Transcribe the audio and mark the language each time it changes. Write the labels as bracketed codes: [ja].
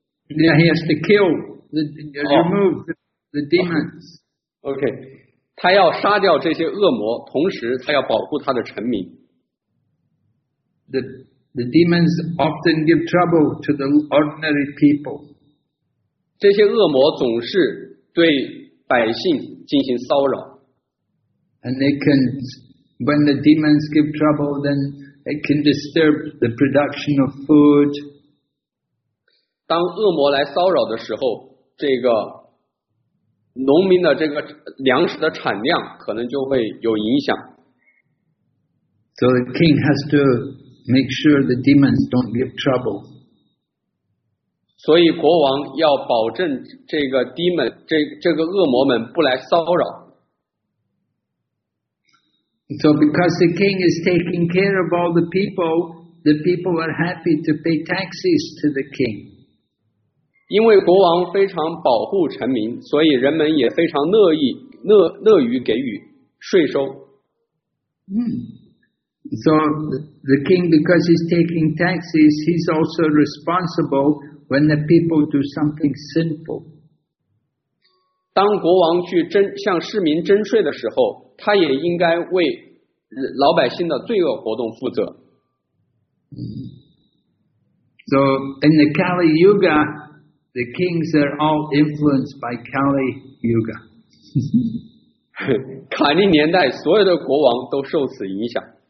[en] Yeah, he has to kill the remove the demons. [zh] Okay, 他要杀掉这些恶魔，同时他要保护他的臣民。 [en] The demons often give trouble to the ordinary people. [zh] 这些恶魔总是对百姓进行骚扰。 [en] And they can, when the demons give trouble, then it can disturb the production of food. [zh] 当恶魔来骚扰的时候，这个农民的这个粮食的产量可能就会有影响。 [en] So the king has to make sure the demons don't give trouble. [zh] 所以国王要保证这个 demon, 这个恶魔们不来骚扰。 [en] So because the king is taking care of all the people are happy to pay taxes to the king. [zh] 因为国王非常保护臣民，所以人们也非常乐于给予税收。 [en] So the king, because he's taking taxes, he's also responsible when the people do something sinful. [zh] 当国王去向市民征税的时候，他也应该为老百姓的罪恶活动负责。 [en] So in the Kali Yuga, the kings are all influenced by Kali Yuga. [zh] 卡利年代所有的国王都受此影响。